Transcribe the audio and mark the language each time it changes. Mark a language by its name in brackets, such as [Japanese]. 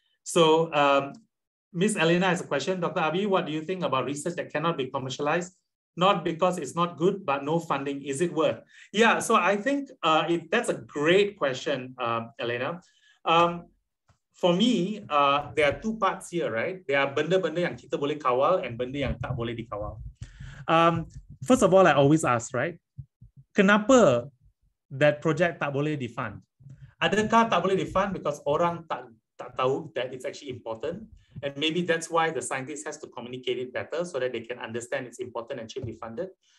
[English] So Ms. Elena has a question. Dr. Abhi, what do you think about research that cannot be commercialized? Not because it's not good, but no funding. Is it worth? Yeah, so I think that's a great question, Elena. For me, there are two parts here, right? There are [Malay] benda-benda yang kita boleh kawal and benda yang tak boleh dikawal. [English] First of all, I always ask, right? Kenapa that project [Malay] tak boleh difund? Adakah tak boleh difund because orang tak tahu [English] that it's actually important? And maybe that's why the scientist has to communicate it better so that they can understand it's important and should be funded.